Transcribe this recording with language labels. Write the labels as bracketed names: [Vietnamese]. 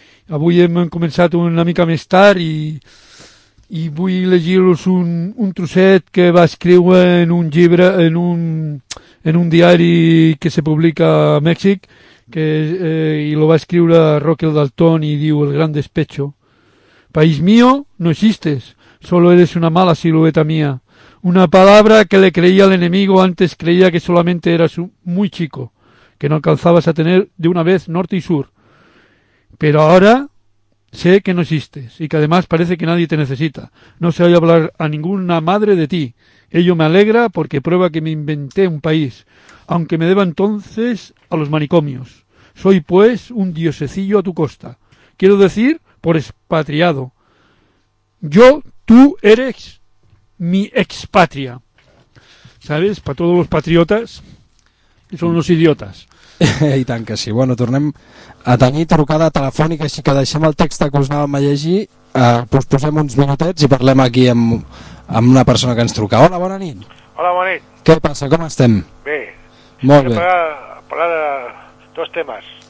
[Catalan] Avui hem començat una mica més tard i vull llegir-los un trosset que va escriure en un llibre, en un diari que se publica a Mèxic, i lo va escriure Roque Dalton, i diu: El gran despecho. [Spanish] País mío, no existes, solo eres una mala silueta mía. Una palabra que le creía al enemigo, antes creía que solamente eras muy chico, que no alcanzabas a tener de una vez norte y sur. Pero ahora sé que no existes y que además parece que nadie te necesita. No se oye hablar a ninguna madre de ti. Ello me alegra porque prueba que me inventé un país, aunque me deba entonces a los manicomios. Soy, pues, un diosecillo a tu costa. Quiero decir, por expatriado. Yo, tú eres mi expatria. ¿Sabes? Para todos los patriotas... [Catalan] Són uns idiotes. I tant que sí. Bueno, tornem a tenir trucada telefònica, així que deixem el text que us anàvem a llegir, posem uns minutets i parlem aquí amb una persona que ens truca. Hola, bona nit. Hola, bona nit. Què passa? Com estem? Bé. Molt bé. Parlar de dos temes.